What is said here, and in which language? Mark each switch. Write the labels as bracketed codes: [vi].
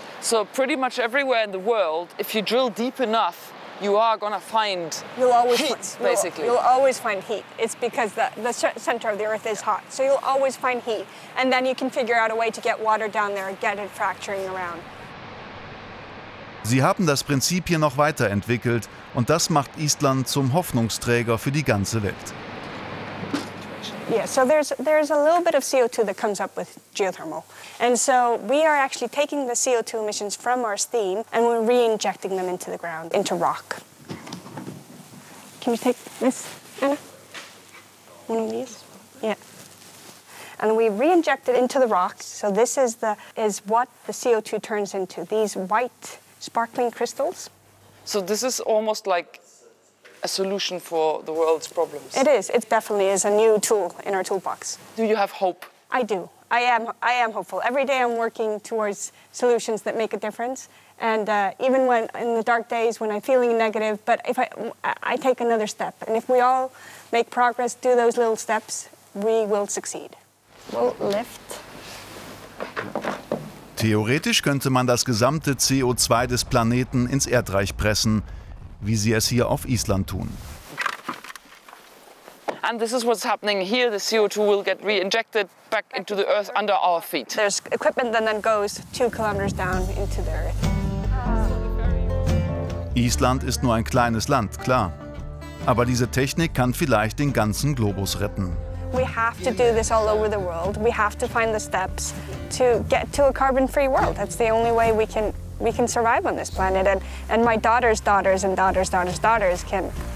[en] So pretty much everywhere in the world, if you drill deep enough, you are going to find heat, basically. You'll always find heat. It's because the center of the Earth is hot. So you'll always find heat. And then you can figure out a way to get water down there and get it fracturing around. [de] Sie haben das Prinzip hier noch weiterentwickelt. Und das macht Island zum Hoffnungsträger für die ganze Welt. [en] Yeah, so there's a little bit of CO2 that comes up with geothermal. And so we are actually taking the CO2 emissions from our steam and we're re-injecting them into the ground, into rock. Can you take this, Anna? One of these? Yeah. And we re-inject it into the rocks. So this is what the CO2 turns into, these white sparkling crystals. So this is almost like a solution for the world's problems. It is. It definitely is a new tool in our toolbox. Do you have hope? I do. I am hopeful. Every day I'm working towards solutions that make a difference. And even when in the dark days when I'm feeling negative, but if I take another step, and if we all make progress, do those little steps, we will succeed. We'll lift. [de] Theoretisch könnte man das gesamte CO2 des Planeten ins Erdreich pressen, wie sie es hier auf Island tun. [en] And this is what's happening here. The CO2 will get re-injected back into the earth under our feet. There's equipment that then goes 2 kilometers down into the earth. [de] Island ist nur ein kleines Land, klar. Aber diese Technik kann vielleicht den ganzen Globus retten. [en] We have to do this all over the world. We have to find the steps to get to a carbon-free world. That's the only way we can survive on this planet, and my daughter's daughters and daughter's daughter's daughters can.